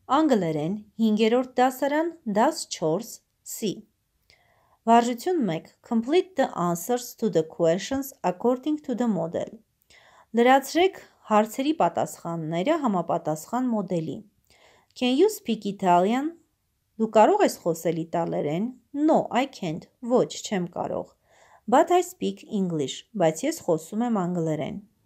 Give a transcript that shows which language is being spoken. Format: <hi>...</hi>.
<hy>Անգլերեն 5-րդ դասարան, դաս 4, C. Վարժություն 1.</hy> <en>Complete the answers to the questions according to the model.</en> <hy>Լրացրեք հարցերի պատասխանները համապատասխան մոդելի.</hy> <en>Can you speak Italian?</en> <hy>Դու կարող ես խոսել իտալերեն?</hy> <en>No, I can't.</en> <hy>Ոչ, չեմ կարող.</hy> <en>But I speak English.</en> <hy>Բայց ես խոսում եմ անգլերեն.</hy>